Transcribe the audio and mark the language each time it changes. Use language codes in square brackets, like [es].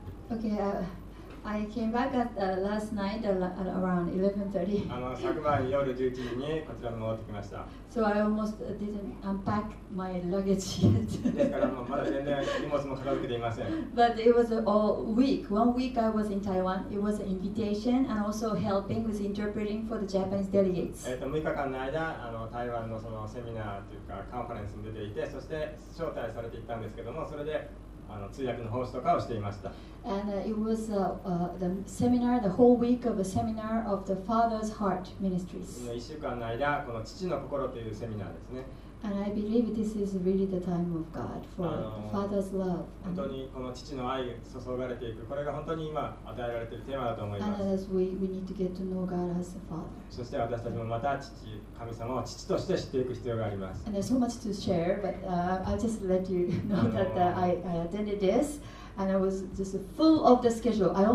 [en] Okay, I came back at last night at around 11:30. [ja] 昨晩夜11時にこちらに戻ってきました。 [en] So I almost didn't unpack my luggage yet. [ja] ですからもうまだ全然荷物も片付けていません。 [en] But it was all week. One week I was in Taiwan. It was an invitation and also helping with interpreting for the Japanese delegates. [ja] 6日間の間、台湾のそのセミナーというかカンファレンスに出ていて、そして招待されていったんですけども、それで通訳の奉仕とかをしていました。 [en] And it was the seminar, the whole week of a seminar of the Father's Heart Ministries. [ja] 1週間の間、この父の心というセミナーですね。 [en] And I believe this is really the time of God for Father's love. [ja] 本当にこの父の愛が注がれていく、これが本当に今与えられているテーマだと思います。 [en] And as we need to get to know God as a Father. [ja] そして私たちもまた父、神様を父として知っていく必要があります。 [en] And there's so much to share, but I'll just let you know that I attended this, and I was just full of the schedule.